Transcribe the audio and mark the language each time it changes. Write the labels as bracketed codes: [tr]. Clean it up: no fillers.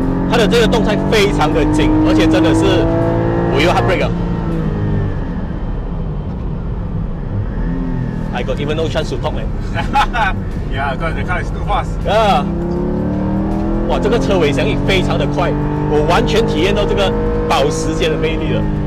[zh] 它的这个动态非常的紧，而且真的是我又 handbrake 了。 [en] I got even no chance to talk, man. Yeah, because the car is too fast. Yeah. [zh] 哇，这个车尾响应非常的快，我完全体验到这个保时捷的魅力了。